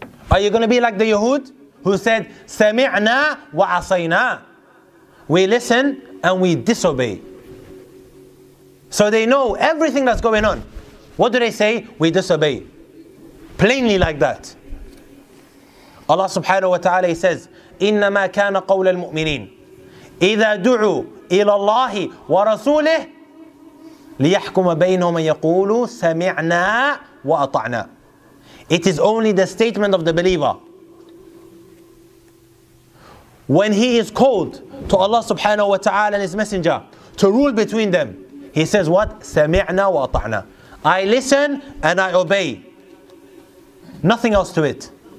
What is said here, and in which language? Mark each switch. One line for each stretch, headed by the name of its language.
English: Are you going to be like the Yahud who said, Sami'na wa asayna? We listen and we disobey. So they know everything that's going on. What do they say? We disobey. Plainly like that.
Arabic: Allah subhanahu wa ta'ala says, إِنَّمَا كَانَ قَوْلَ الْمُؤْمِنِينَ إِذَا دُعُوا إِلَى اللَّهِ وَرَسُولِهِ لِيَحْكُمَ بَيْنَهُمْ يَقُولُوا سَمِعْنَا وَأَطَعْنَا.
English: It is only the statement of the believer. When he is called to Allah subhanahu wa ta'ala and his messenger to rule between them, he says what?
Arabic: سَمِعْنَا وَأَطَعْنَا.
English: I listen and I obey. Nothing else to it.